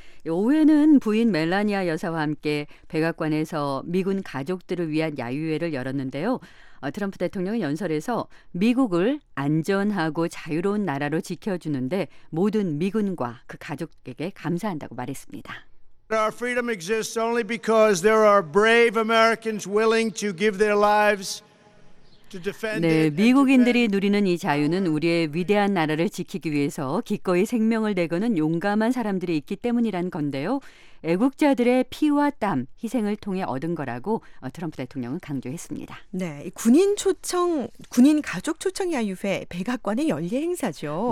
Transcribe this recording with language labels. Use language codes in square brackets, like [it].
[ko] 오후에는 부인 멜라니아 여사와 함께 백악관에서 미군 가족들을 위한 야유회를 열었는데요. 트럼프 대통령의 연설에서 미국을 안전하고 자유로운 나라로 지켜주는데 모든 미군과 그 가족에게 감사한다고 말했습니다. [en] Our freedom exists only because there are brave Americans willing to give their lives to defend it. [ko] 네, 미국인들이 누리는 이 자유는 우리의 위대한 나라를 지키기 위해서 기꺼이 생명을 내거는 용감한 사람들이 있기 때문이란 건데요. 애국자들의 피와 땀, 희생을 통해 얻은 거라고 트럼프 대통령은 강조했습니다. 네, 군인 초청, 군인 가족 초청 야유회 백악관의 연례 행사죠.